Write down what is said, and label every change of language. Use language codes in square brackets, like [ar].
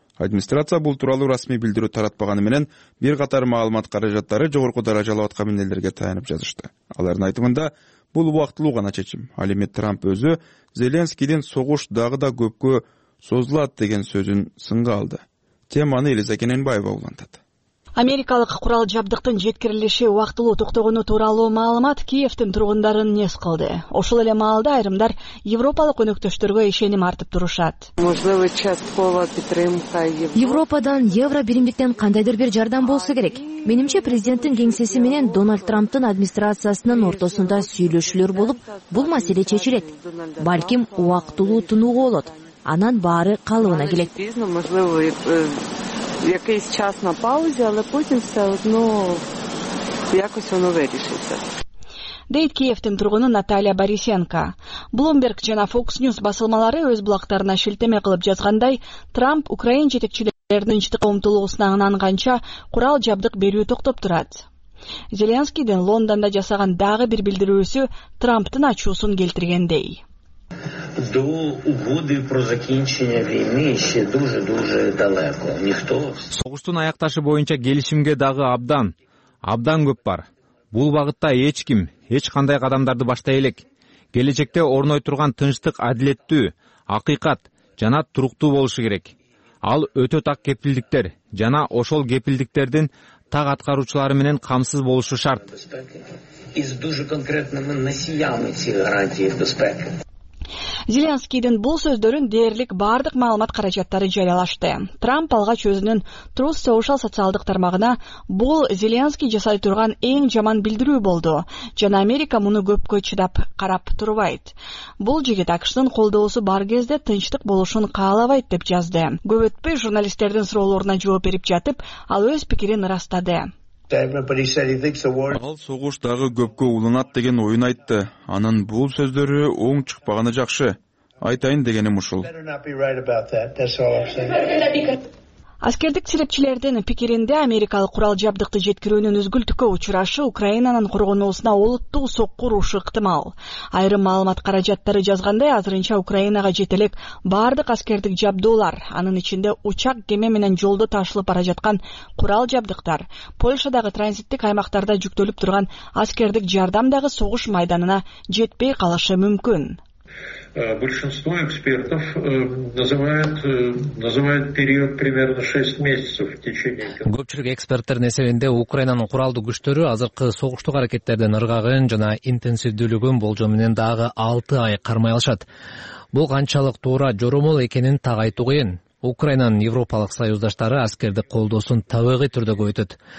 [ky] Администрация бул тууралуу расмий билдирүү таратпаганы менен бир катар маалымат каражаттары жогорку даражалуу аткан мамилелерге таянып жазышты. Алардын айтымында бул убактылуу гана чечим. Ал эми Трамп өзү Зеленскийдин согуш дагы да көпкө созулат деген сөзүн сынга алды. Теманы Элиза Кененбаева улантат. Америкалык курал жабдыктын жеткирилиши убактылуу токтогону тууралуу маалымат Киевтин тургундарын нес кылды. Ошол эле маалда айрымдар европалык өнөктөштөргө ишеним артып турушат. Европадан, Евро биримдиктен кандайдыр бир жардам болсо керек. Менимче президенттин кеңсеси менен Дональд Трамптын администрациясынын ортосунда сүйлөшүүлөр болуп, бул маселе чечилет. Балким убактылуу тынуу болот. Анан баары калыбына келет. [uk] Якийсь час на паузі, але потім все одно якось воно вирішиться. [ky] Дейт Киевтин тургуну Наталья Борисенко. Bloomberg жана Fox News басылмалары өз блогторуна шилтеме кылып жазгандай, Трамп Украина жетекчилеринин чыдыга умтулуусуна ынанганча курал жабдык берүү токтоп турат. Зеленскийдин Лондондо жасаган дагы бир билдирүүсү Трамптын ачуусун келтиргендей. [uk] До угоди про закінчення війни ще дуже-дуже далеко. Ніхто. [ky] Согуштун аякташы боюнча келишимге дагы абдан көп бар. Бул багытта эч ким, эч кандай кадамдарды баштай элек. Келечекте орной турган тынчтык адилеттүү, акыйкат жана туруктуу болушу керек. Ал өтө так кепилдиктер жана ошол кепилдиктердин так аткаруучулары менен камсыз болушу шарт. [uk] Из дуже конкретными носіями ці гарантії безпеки. [ky] Зеленскийдин бул сөздөрүн дээрлик бардык маалымат каражаттары жарыялашты. Трамп алгач өзүнүн Truth Social социалдык тармагына бул Зеленский жасай турган эң жаман билдирүү болду жана Америка муну көпкө чыдап карап турбайт. Бул жигит АКШнын колдоосу бар кезде тынчтык болушун каалабайт деп жазды. Көп өтпөй журналисттердин суроолоруна жооп берип жатып, ал өз пикирин ырастады. Ал согуш дагы көпкө улунат деген оюн айтты. Анын бул сөздөрү оң чыкпаганы жакшы. Айтайын дегеним ушул. Аскердик серепчилердин пикиринде Америкалык курал жабдыкты жеткирүүнүн үзгүлтүккө учурашы Украинанын коргоноосуна олуттуу соккур урушу ыктымал. Айрым маалымат каражаттары жазгандай, азырынча Украинага жете элек бардык аскердик жабдуулар, анын ичинде учак кеме менен жолдо ташылып бара жаткан курал жабдыктар, Польшадагы транзиттик аймактарда жүктөлүп турган аскердик жардам дагы согуш майданына жетпей калышы мүмкүн. [ru] Большинство экспертов называют период примерно 6 месяцев в течение. [ky] Көпчүлүк эксперттердин эсебинде Украинанын куралдуу күчтөрү азыркы согуштук аракеттердин ыргагын жана интенсивдүүлүгүн болжоо менен дагы 6 ай кармай алышат. Бул канчалык туура жоромол экенин так айтуу кыйын. Украинанын Европалык союздаштары аскердик колдоосун табигый түрдө көбөйтөт.